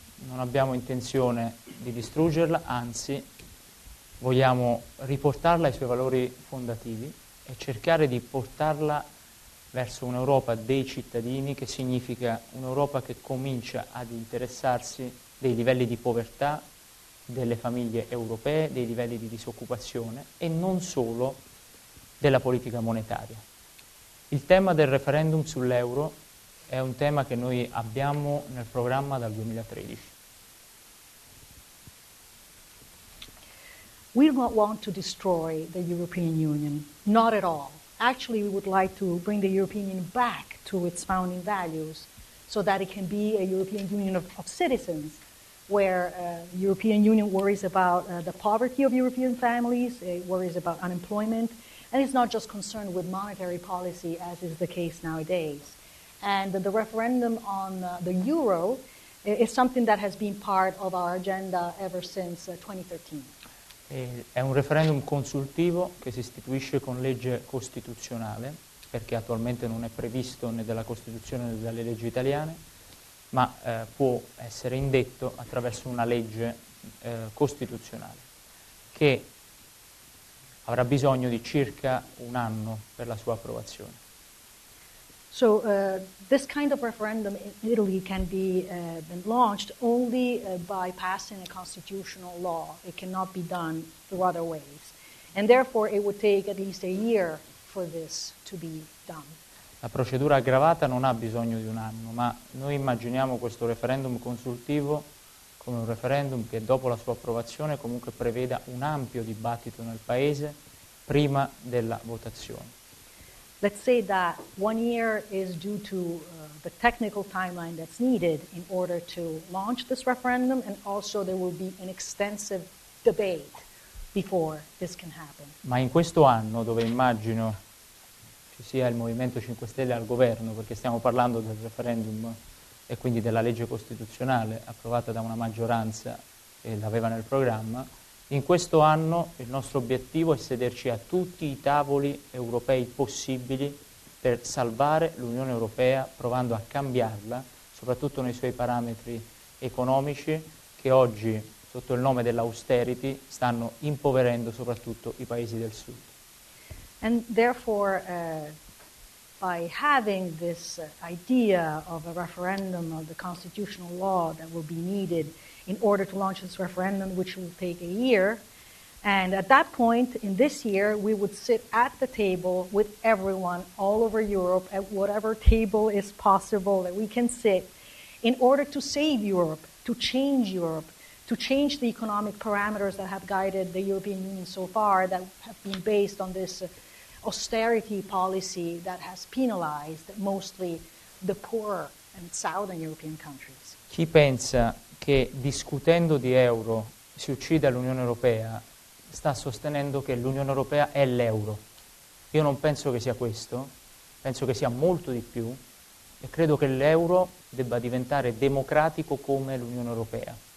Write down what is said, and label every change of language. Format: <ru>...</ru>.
<it>Non abbiamo intenzione di distruggerla, anzi, vogliamo riportarla ai suoi valori fondativi e cercare di portarla verso un'Europa dei cittadini, che significa un'Europa che comincia ad interessarsi dei livelli di povertà delle famiglie europee, dei livelli di disoccupazione e non solo della politica monetaria. Il tema del referendum sull'euro è un tema che noi abbiamo nel programma dal 2013.</it> <en>We do not want to destroy the European Union, not at all. Actually, we would like to bring the European Union back to its founding values so that it can be a European Union of citizens, where European Union worries about the poverty of European families, it worries about unemployment, and it's not just concerned with monetary policy as is the case nowadays. And the referendum on the euro is something that has been part of our agenda ever since 2013.</en> <it>È un referendum consultivo che si istituisce con legge costituzionale, perché attualmente non è previsto né dalla Costituzione né dalle leggi italiane, ma può essere indetto attraverso una legge costituzionale, che avrà bisogno di circa un anno per la sua approvazione.</it> <en>So this kind of referendum in Italy can be launched only by passing a constitutional law. It cannot be done through other ways. And therefore it would take at least a year for this to be done.</en> <it>La procedura aggravata non ha bisogno di un anno, ma noi immaginiamo questo referendum consultivo come un referendum che dopo la sua approvazione comunque preveda un ampio dibattito nel paese prima della votazione.</it> <en>Let's say that 1 year is due to the technical timeline that's needed in order to launch this referendum, and also there will be an extensive debate before this can happen.</en> <it>Ma in questo anno, dove immagino ci sia il Movimento 5 Stelle al governo, perché stiamo parlando del referendum e quindi della legge costituzionale approvata da una maggioranza e l'aveva nel programma, in questo anno il nostro obiettivo è sederci a tutti i tavoli europei possibili per salvare l'Unione Europea, provando a cambiarla, soprattutto nei suoi parametri economici, che oggi, sotto il nome dell'austerity, stanno impoverendo soprattutto i paesi del sud.</it> <en>And therefore, by having this idea of a referendum of the constitutional law that will be needed in order to launch this referendum, which will take a year. And at that point, in this year, we would sit at the table with everyone all over Europe, at whatever table is possible that we can sit, in order to save Europe, to change the economic parameters that have guided the European Union so far, that have been based on this austerity policy that has penalized mostly the poorer and southern European countries.</en> <it>Chi pensa che discutendo di euro si uccida l'Unione Europea sta sostenendo che l'Unione Europea è l'euro? Io non penso che sia questo, penso che sia molto di più, e credo che l'euro debba diventare democratico come l'Unione Europea.</it>